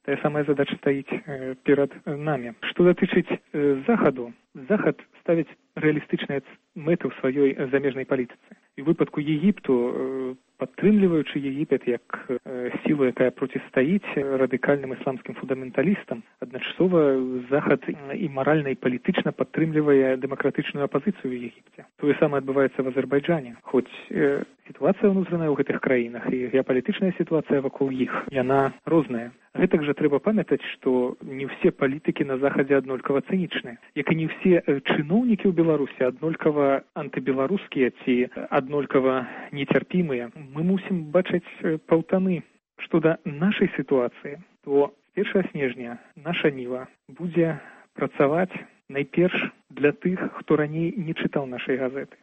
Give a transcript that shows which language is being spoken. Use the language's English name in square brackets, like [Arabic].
[Belarusian] Тая самая задача стаіць перад намі. Што датычыць Захаду, Захад ставіць рэалістычныя мэты ў сваёй замежнай палітыцы. І ў выпадку Егіпту, падтрымліваючы Егіпет як сілу, якая проціставіць радыкальным ісламскім фундаменталістам, журналістам. [Ukrainian] Одночасово Захад і морально, і політично підтримує демократичну опозицію в Єгипті. Те саме відбувається в Азербайджані. Хоч ситуація внутрішня у цих країнах і геополітична ситуація вокруг їх, вона різна. [Belarusian] Гэтак же треба памятаць, што не ўсе палітыкі на Захадзе аднолькава цынічныя, як і не ўсе чыноўнікі ў Беларусі аднолькава антыбеларускія ці аднолькава нецярпімыя. Мы мусім бачыць паўтаны. Што да нашай сітуацыі, то 1 снежня наша ніва будзе працаваць найперш для тых, хто раней не чытаў нашай газеты.